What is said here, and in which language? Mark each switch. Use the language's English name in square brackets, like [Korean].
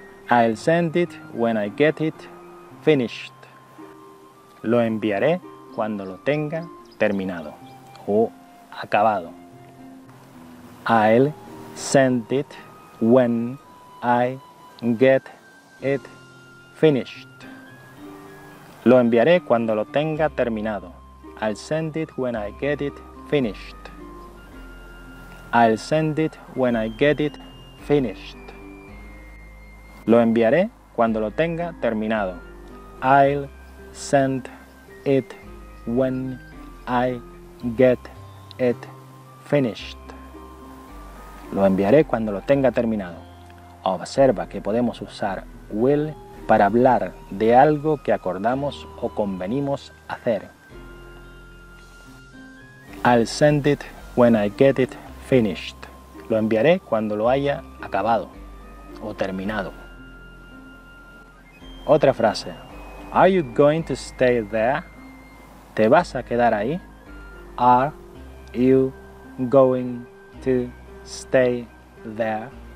[English] I'll send it when I get it finished. [Spanish] Lo enviaré cuando lo tenga terminado o acabado. [English] I'll send it when I get it finished. [Spanish] Lo enviaré cuando lo tenga terminado. [English] I'll send it when I get it finished. I'll send it when I get it finished. [Spanish] Lo enviaré cuando lo tenga terminado. [English] I'll send it when I get it finished. [Spanish] Lo enviaré cuando lo tenga terminado. Observa que podemos usar will para hablar de algo que acordamos o convenimos hacer. [English] I'll send it when I get it finished. [Spanish] Lo enviaré cuando lo haya acabado o terminado. Otra frase. [English] Are you going to stay there? [Spanish] ¿Te vas a quedar ahí? [English] Are you going to stay there?